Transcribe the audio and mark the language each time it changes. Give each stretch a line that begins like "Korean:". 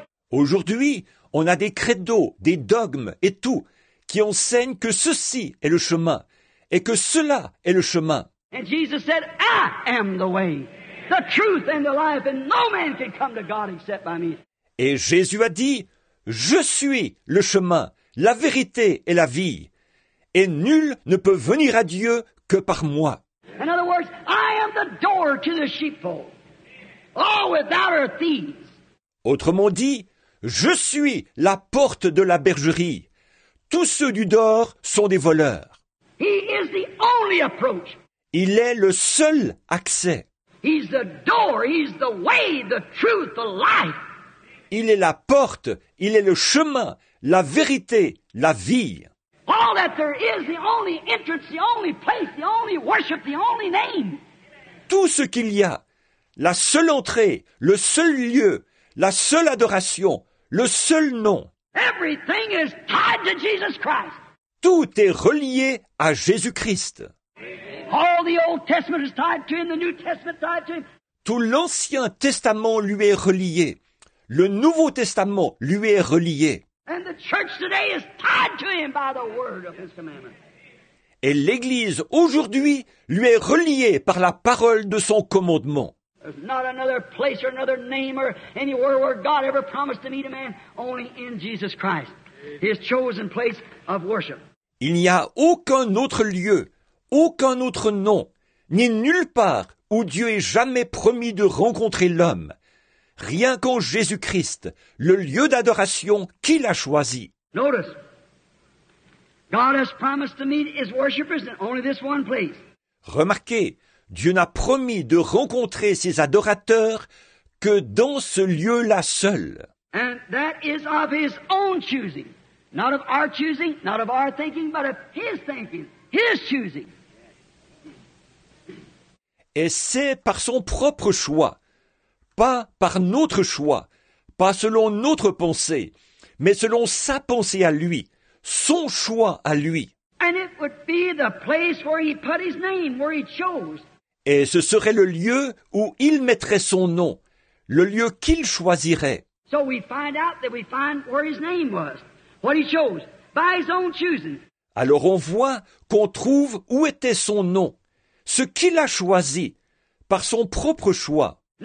French: Aujourd'hui, on a des credos, des dogmes et tout, qui enseignent que ceci est le chemin, et que cela est le chemin.
English: And Jesus said, I am the way, the truth and the life, and no man can come to God except by me.
French: Et Jésus a dit, je suis le chemin, la vérité et la vie, et nul ne peut venir à Dieu que par moi.
English: In other words, I am the door to the sheepfold. All without are thieves.
French: Autrement dit, je suis la porte de la bergerie. Tous ceux du dehors sont des voleurs.
English: He is the only approach.
French: Il est le seul accès.
English: He's the door, he's the way, the truth, the life.
French: Il est la porte, il est le chemin, la vérité, la vie.
English: All that there is, the only entrance, the only place, the only worship, the only name.
French: Tout ce qu'il y a, la seule entrée, le seul lieu, la seule adoration, le seul nom.
English: Everything is tied to Jesus Christ.
French: Tout est relié à Jésus-Christ.
English: All the Old Testament is tied to him, the New Testament is tied to him.
French: Tout l'Ancien Testament lui est relié. Le Nouveau Testament lui est relié.
English: And the church today is tied to him by the word of his commandment.
French: Et l'Église aujourd'hui lui est reliée par la parole de son commandement.
English: There's not another place or another name or anywhere where God ever promised to meet a man, only in Jesus Christ, his chosen place of worship.
French: Il n'y a aucun autre lieu, aucun autre nom, ni nulle part où Dieu ait jamais promis de rencontrer l'homme. Rien qu'en Jésus-Christ, le lieu d'adoration qu'il a choisi.
English: Notice, God has promised to meet his worshipers in only this one place.
French: Remarquez, Dieu n'a promis de rencontrer ses adorateurs que dans ce lieu-là seul.
English: And that is of his own choosing. Not of our choosing, not of our thinking, but of his thinking. His choosing.
French: Et c'est par son propre choix, pas par notre choix, pas selon notre pensée, mais selon sa pensée à lui, son choix à lui.
English: And it would be the place where he put his name, where he chose.
French: Et ce serait le lieu où il mettrait son nom, le lieu qu'il choisirait.
English: So we find out that we find where his name was, what he chose, by his own choosing.
French: Alors on voit qu'on trouve où était son nom, ce qu'il a choisi, par son propre choix.